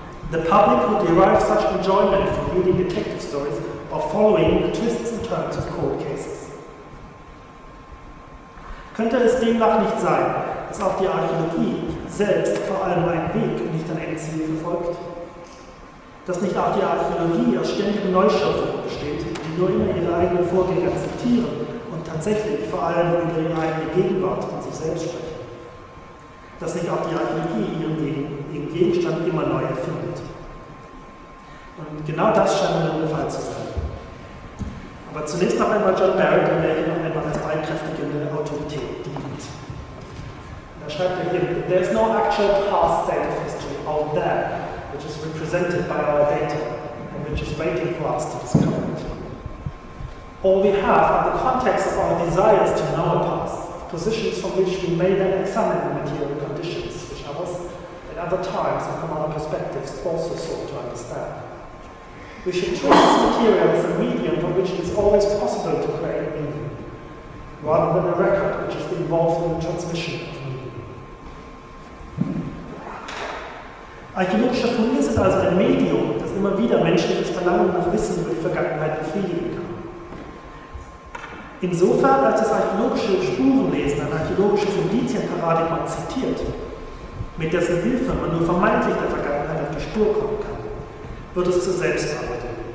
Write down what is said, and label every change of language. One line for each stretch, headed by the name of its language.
English: The public who derive such enjoyment from reading detective stories or following the twists and turns of cold cases.
German: Könnte es demnach nicht sein, dass auch die Archäologie selbst vor allem einen Weg und nicht ein Endziel verfolgt? Dass nicht auch die Archäologie aus ständigen Neuschöpfungen besteht, die nur immer ihre eigenen Vorgänge akzeptieren und tatsächlich vor allem über ihre eigene Gegenwart und sich selbst sprechen? Dass nicht auch die Archäologie ihren Gegenstand immer neu erfindet? Und genau das scheint mir der Fall zu sein. Aber zunächst noch einmal John Barrett, der mir noch einmal als beikräftigende Autorität dient. Da schreibt er hier,
English: there is no actual past state of history out there, which is represented by our data, and which is waiting for us to discover it. All we have are the context of our desires to know a past, positions from which we may then examine the material conditions, which others, at other times and from other perspectives, also sought to understand. We should treat this material as a medium from which it is always possible to create meaning, rather than a record which is involved in the transmission.
German: Archäologische Funde sind also ein Medium, das immer wieder menschliches Verlangen nach Wissen über die Vergangenheit befriedigen kann. Insofern, als das archäologische Spurenlesen ein archäologisches Indizienparadigma zitiert, mit dessen Hilfe man nur vermeintlich der Vergangenheit auf die Spur kommen kann, wird es zur Selbstarbeit.